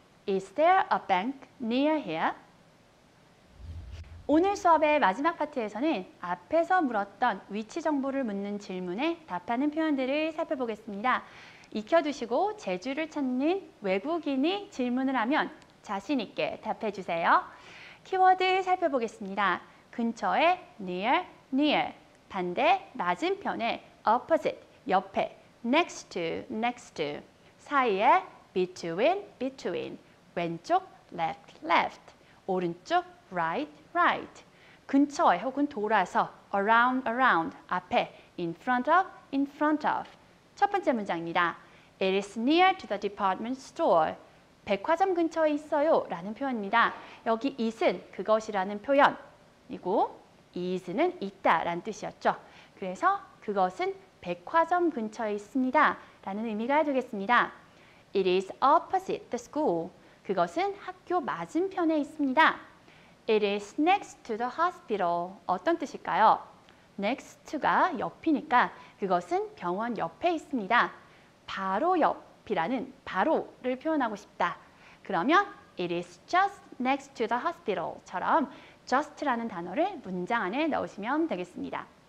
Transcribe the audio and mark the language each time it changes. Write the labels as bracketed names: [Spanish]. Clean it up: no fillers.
[English] Is there a bank near here? [Korean] 오늘 수업의 마지막 파트에서는 앞에서 물었던 위치 정보를 묻는 질문에 답하는 표현들을 살펴보겠습니다. 익혀두시고 제주를 찾는 외국인이 질문을 하면 자신 있게 답해주세요. 키워드 살펴보겠습니다. 근처에 near, near, 반대, 맞은편에 opposite, 옆에 next to, next to, 사이에 between, between, 왼쪽 left, left, 오른쪽 right, right, 근처에 혹은 돌아서 around, around, 앞에 in front of, in front of. 첫 번째 문장입니다. [English] It is near to the department store. [Korean] 백화점 근처에 있어요 라는 표현입니다. 여기 is은 그것이라는 표현이고 is는 있다 라는 뜻이었죠. 그래서 그것은 백화점 근처에 있습니다 라는 의미가 되겠습니다. [English] It is opposite the school. [Korean] 그것은 학교 맞은편에 있습니다. [English] It is next to the hospital. [Korean] 어떤 뜻일까요? Next가 옆이니까 그것은 병원 옆에 있습니다. 바로 옆. 라는 바로를 표현하고 싶다. 그러면 [English] It is just next to the hospital [Korean] 처럼 just라는 단어를 문장 안에 넣으시면 되겠습니다.